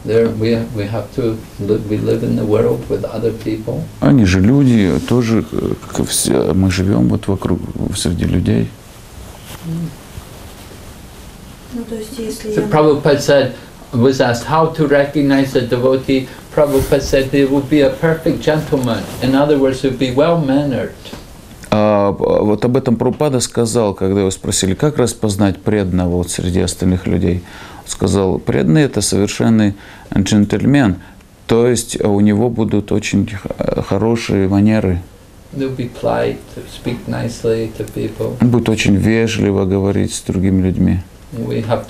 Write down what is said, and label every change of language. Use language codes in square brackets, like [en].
[en] We live in the world with other people. [ru] Они же люди тоже. Мы живем вот вокруг среди людей. [en] So Prabhupada said, was asked how to recognize a devotee. Prabhupada said he would be a perfect gentleman. In other words, he would be well mannered. [ru] Вот об этом Прабхупада сказал, когда его спросили, как распознать преданного вот среди остальных людей. Он сказал, преданный – это совершенный джентльмен, то есть у него будут очень хорошие манеры. Он будет очень вежливо говорить с другими людьми.